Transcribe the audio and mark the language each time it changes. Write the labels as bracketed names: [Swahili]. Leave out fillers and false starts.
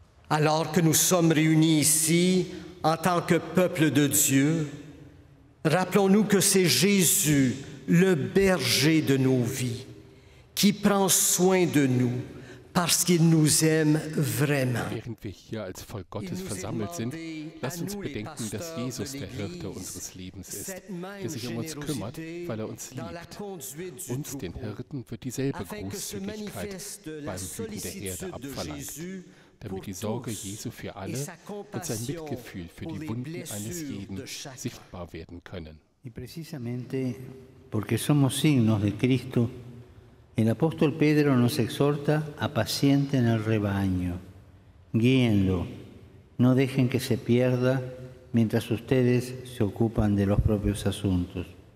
[French] Alors que nous sommes réunis ici en tant que peuple de Dieu, rappelons-nous que c'est Jésus, le berger de nos vies, qui prend soin de nous parce qu'il nous aime vraiment. [German] Während wir hier als Volk Gottes versammelt sind, lasst uns bedenken, dass Jesus der Hirte unseres Lebens ist, der sich um uns kümmert, weil er uns liebt. Uns, den Hirten, wird dieselbe Großzügigkeit beim Hüten der Herde abverlangt, damit die Sorge Jesu für alle und sein Mitgefühl für die Wunden eines jeden sichtbar werden können. [Spanish] Y precisamente porque somos signos de Cristo, el apóstol Pedro nos exhorta: apacienten el rebaño, guíenlo, no dejen que se pierda mientras ustedes se ocupan de los propios asuntos.